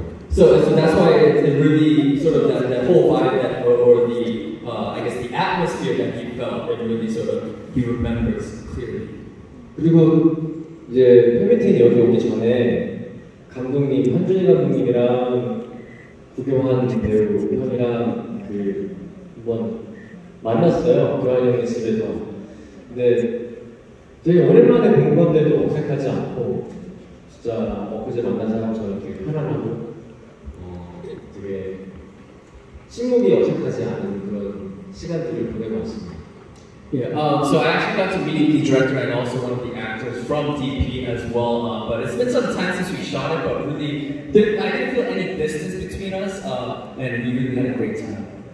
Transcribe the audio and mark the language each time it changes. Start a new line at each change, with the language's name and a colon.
English: So that's why it really sort of that whole vibe that or the I guess the atmosphere that you felt it really sort of he remembers clearly.
Korean: 그리고 이제 팬미팅 여기 오기 전에. 감독님, 한준희 감독님이랑 구경한 배우 형이랑 그 한번 만났어요, 브라이언의 집에서. 근데 되게 오랜만에 본 건데도 어색하지 않고 진짜 엊그제 만난 사람처럼 되게 편안하고 되게 침묵이 어색하지 않은 그런 시간들을 보내고 왔습니다.
English: Yeah. So I actually got to meet the director and also one of the actors from DP as well. But it's been some time since we shot it, but really, I didn't feel any distance between us, and we really had a great time.